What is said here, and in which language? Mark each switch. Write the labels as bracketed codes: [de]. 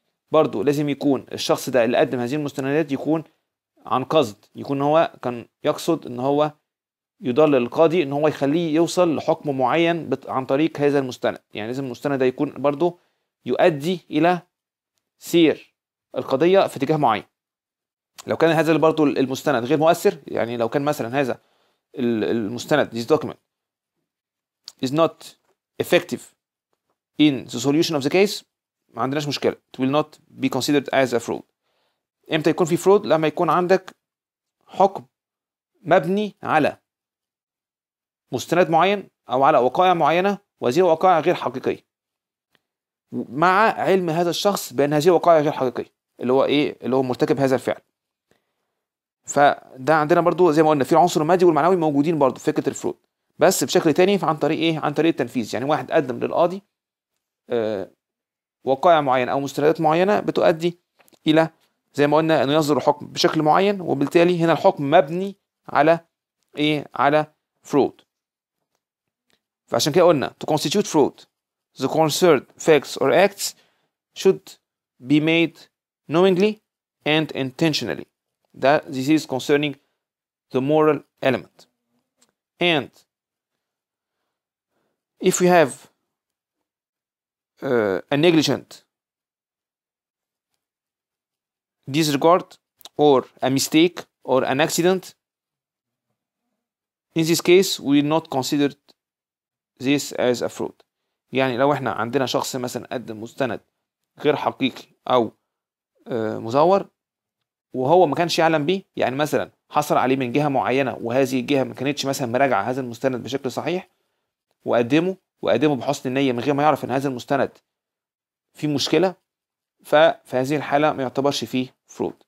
[ar] برضو لازم يكون الشخص ده اللي قدم هذه المستندات يكون عن قصد، يكون هو كان يقصد ان هو يضلل القاضي ان هو يخليه يوصل لحكم معين عن طريق هذا المستند. يعني لازم المستند ده يكون برضو يؤدي الى سير القضية في اتجاه معين. لو كان هذا برضو المستند غير مؤثر، يعني لو كان مثلا هذا المستند [en] this document is not effective in the solution of the case، [ar] ما عندناش مشكلة، [en] it will not be considered as a fraud. [ar] امتى يكون في fraud؟ لما يكون عندك حكم مبني على مستند معين او على وقائع معينة وهذه وقائع غير حقيقية، مع علم هذا الشخص بان هذه وقائع غير حقيقية اللي هو ايه اللي هو مرتكب هذا الفعل. فده عندنا برضو زي ما قلنا في العنصر المادي والمعنوي موجودين برضو فكرة الفروض، بس بشكل تاني عن طريق ايه؟ عن طريق التنفيذ. يعني واحد قدم للقاضي وقائع معينة او مستندات معينة بتؤدي الى زي ما قلنا انه يصدر الحكم بشكل معين، وبالتالي هنا الحكم مبني على ايه؟ على فروض. فعشان كده قلنا [en] to constitute fraud the concerned facts or acts should be made knowingly and intentionally. That this is concerning the moral element. And if we have a negligent disregard or a mistake or an accident, in this case we will not consider this as a fraud. [ar] يعني لو احنا عندنا شخص مثلا قدم مستند غير حقيقي او مزور وهو ما كانش يعلم به، يعني مثلا حصل عليه من جهة معينة وهذه الجهة ما كانتش مثلا مراجعة هذا المستند بشكل صحيح، وقدمه بحسن النية من غير ما يعرف ان هذا المستند فيه مشكلة، ففي هذه الحالة ما يعتبرش فيه فرود.